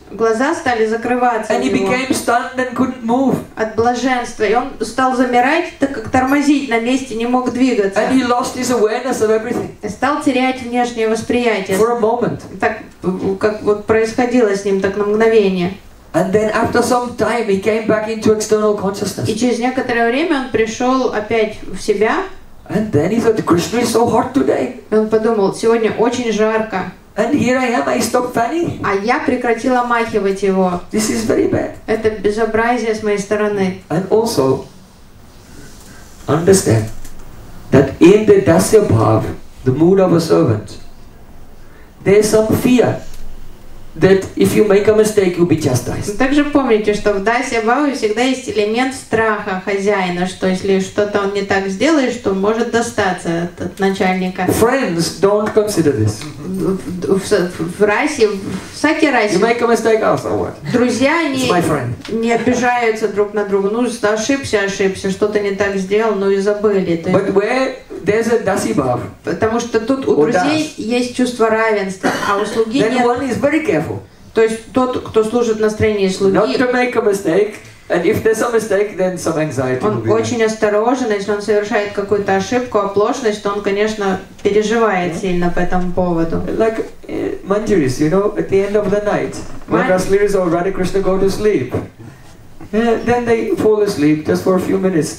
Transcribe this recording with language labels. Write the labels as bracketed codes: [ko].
[ru] Глаза стали закрываться. [en] And he became stunned and couldn't move. [ru] От блаженства. И он стал замирать, так как тормозить на месте не мог двигаться. [en] And he lost his awareness of everything. [ru] И стал терять внешнее восприятие. [en] For a moment. [ru] Так как вот происходило с ним так на мгновение. [en] And then after some time he came back into external consciousness. [ru] И через некоторое время он пришел опять в себя. [en] And then he thought, Krishna is so hot today. [ru] И он подумал, сегодня очень жарко. [en] And here I am, I stopped fanning. [ru] А я прекратила махивать его. [en] This is very bad. [ru] Это безобразие с моей стороны. [en] And also understand that in the dasya bhav, the mood of a servant, there's some fear that if you make a mistake, you'll be chastised. [ru] Также помните, что в дасья бхаве всегда есть элемент страха хозяина, что если что-то он не так сделает, то может достаться от начальника. [en] Friends don't consider this. [ru] В расе, в саке расе. [en] You make a mistake, also what? [ru] Друзья не обижаются друг на друга. Ну, ошибся, что-то не так сделал, ну и забыли. [en] But where there's a dasi bhav. [ru] Потому что тут у друзей есть чувство равенства, а у слуги нет. [en] Then one is very careful. [ru] То есть тот, кто служит в настроении слуги. [en] Not to make a mistake. And if there's a mistake, then some anxiety. [ru] Он очень осторожен, если он совершает какую-то ошибку, оплошность, то он, конечно, переживает сильно по этому поводу. [en] Like mandiris, you know, at the end of the night, when Rasleeris or Radha Krishna go to sleep, then they fall asleep just for a few minutes.